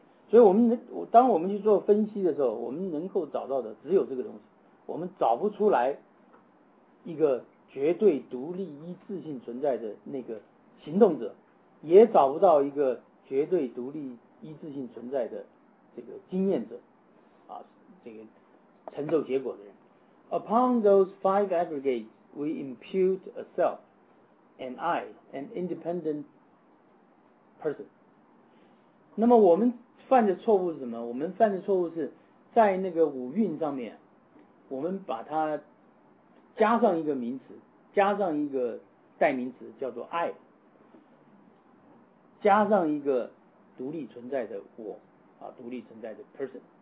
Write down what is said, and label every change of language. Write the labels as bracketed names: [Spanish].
[Chinese] 所以，当我们去做分析的时候，我们能够找到的只有这个东西，我们找不出来一个绝对独立一致性存在的那个行动者，也找不到一个绝对独立一致性存在的这个经验者，啊，这个承受结果的人。 [English] Upon those five aggregates, we impute a self. And I, an independent person. [Chinese] 那么我们犯的错误是什么？我们犯的错误是在那个五蕴上面，我们把它加上一个名词，加上一个代名词叫做 I， 加上一个独立存在的我啊，独立存在的 person。